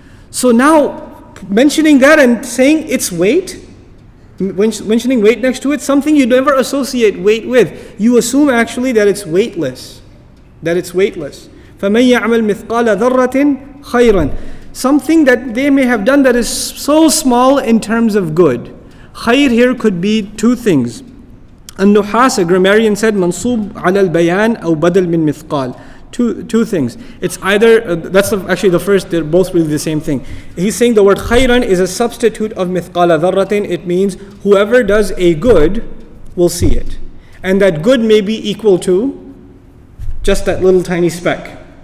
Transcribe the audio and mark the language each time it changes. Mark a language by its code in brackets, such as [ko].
[en] So now, mentioning that and saying its weight, mentioning weight next to it, something you never associate weight with. You assume actually that it's weightless. That it's weightless. [ar] فَمَنْ يَعْمَلْ مِثْقَالَ ذَرَّةٍ خَيْرًا. [en] Something that they may have done that is so small in terms of good. خَيْر here could be two things. [ar] النُحَاس, [en] a grammarian said, [ar] مَنْصُوب عَلَى الْبَيَانِ أَوْ بَدَلْ مِنْ مِثْقَالِ. [en] Two things. It's either, actually the first, they're both really the same thing. He's saying the word khayran is a substitute of mithqala dharratin. It means whoever does a good will see it. And that good may be equal to just that little tiny speck.